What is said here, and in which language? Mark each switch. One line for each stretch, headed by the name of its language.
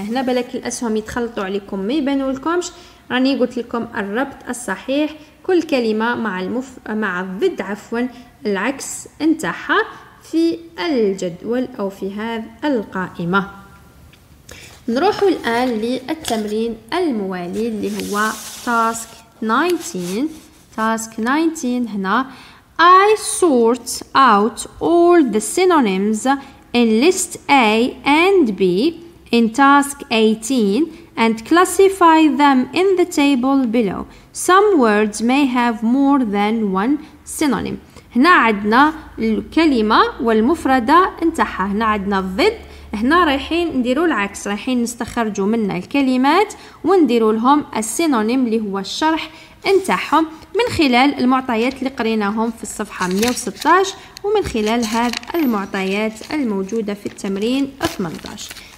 Arabic: هنا بلك الأسهم يتخلطوا عليكم ما يبانوا لكمش، راني قلت لكم الربط الصحيح كل كلمة مع الضد عفوا العكس انتحى في الجدول أو في هذا القائمة. نروح الآن للتمرين الموالي اللي هو task 19.
English: task 19
Arabic: هنا
English: I sort out all the synonyms in list A and B in task 18 and classify them in the table below. Some words may have more than one synonym.
Arabic: هنا عندنا الكلمة والمفردة انتحى، هنا عندنا الضد، هنا رايحين نديروا العكس، رايحين نستخرجوا منا الكلمات ونديروا لهم السينونيم اللي هو الشرح انتحهم من خلال المعطيات اللي قريناهم في الصفحة 116 ومن خلال هذه المعطيات الموجودة في التمرين 18.